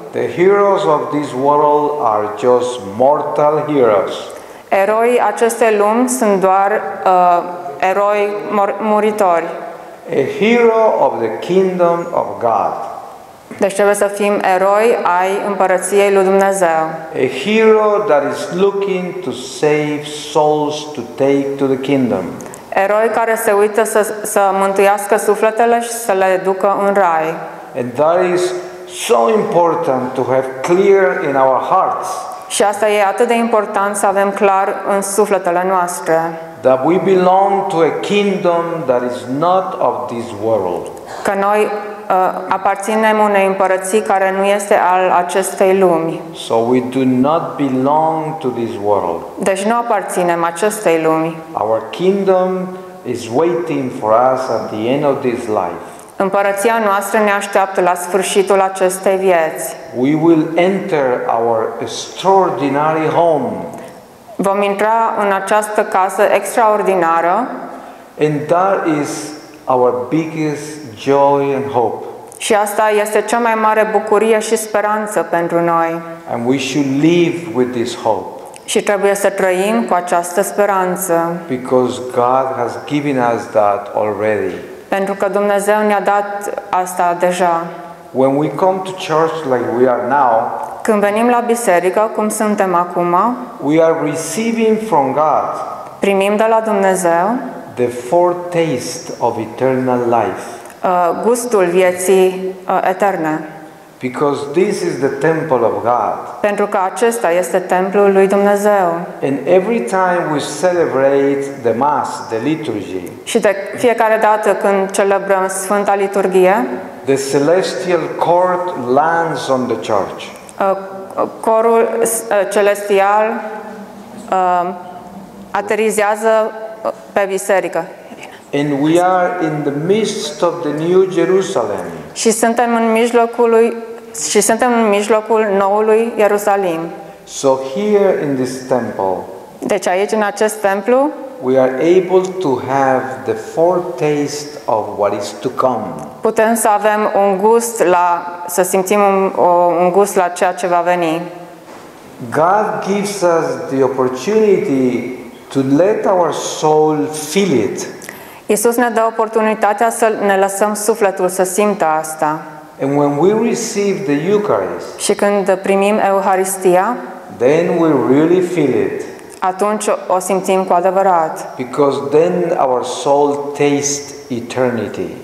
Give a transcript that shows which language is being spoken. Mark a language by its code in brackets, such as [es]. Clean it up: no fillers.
[en] The heroes of this world are just mortal heroes. [ro] Eroi acestei lumi sunt doar eroi muritori. [en] A hero of the kingdom of God. [ro] Deci trebuie să fim eroi ai împărăției lui Dumnezeu. [en] A hero that is looking to save souls to take to the kingdom. [ro] Eroi care se uită să mântuiască sufletele și să le ducă în rai. [en] And that is so important to have clear in our hearts. [ro] Și asta e atât de important să avem clar în sufletele noastre. [en] That we belong to a kingdom that is not of this world. [ro] Că noi aparținem unei împărății care nu este al acestei lumi. [en] So we do not belong to this world. [ro] Deci nu aparținem acestei lumi. [en] Our kingdom is waiting for us at the end of this life. [ro] Împărăția noastră ne așteaptă la sfârșitul acestei vieți. [en] We will enter our extraordinary home. [ro] Vom intra în această casă extraordinară. [en] And that is our biggest joy and hope. [ro] Și asta este cea mai mare bucurie și speranță pentru noi. [en] And we should live with this hope. [ro] Și trebuie să trăim cu această speranță. [en] Because God has given us that already. [ro] Pentru că Dumnezeu ne-a dat asta deja. [en] When we come to church like we are now, [ro] când venim la biserică cum suntem acum, [en] we are receiving from God. [ro] Primim de la Dumnezeu. [en] the foretaste of eternal life. [ro] Gustul vieții eterne. [en] Because this is the temple of God. [ro] Pentru că acesta este templul lui Dumnezeu. [en] And every time we celebrate the mass, the liturgy. [ro] Și de fiecare dată când celebrăm Sfânta Liturghie, [en] the celestial court lands on the church. [ro] Corul celestial aterizează pe biserică. [en] And we are in the midst of the New Jerusalem. [ro] Și suntem în mijlocul lui și suntem în mijlocul noului Ierusalim. [en] So here in this temple. [ro] Deci aici în acest templu [en] we are able to have the foretaste of what is to come. [ro] Putem să avem un gust la să simțim un gust la ceea ce va veni. [en] God gives us the opportunity to let our soul feel it. [ro] Iisus ne dă oportunitatea să ne lăsăm sufletul să simtă asta. [en] And when we receive the Eucharist, [ro] și când primim Euharistia, [en] then we really feel it. [ro] Atunci o simțim cu adevărat. [en] Because then our soul tastes eternity.